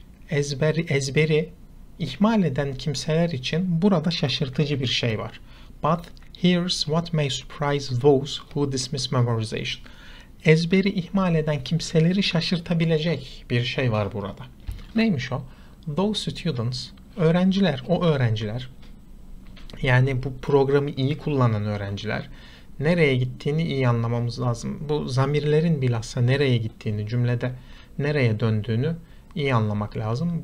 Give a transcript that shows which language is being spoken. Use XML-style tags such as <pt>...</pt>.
<tr>Ezberi ihmal eden kimseler için burada şaşırtıcı bir şey var.</tr> <en>But here's what may surprise those who dismiss memorization.</en> <tr>Ezberi ihmal eden kimseleri şaşırtabilecek bir şey var burada. Neymiş o?</tr> <en>Those students,</en> <tr>öğrenciler, o öğrenciler, yani bu programı iyi kullanan öğrenciler, nereye gittiğini iyi anlamamız lazım. Bu zamirlerin bilhassa nereye gittiğini, cümlede nereye döndüğünü iyi anlamak lazım.</tr>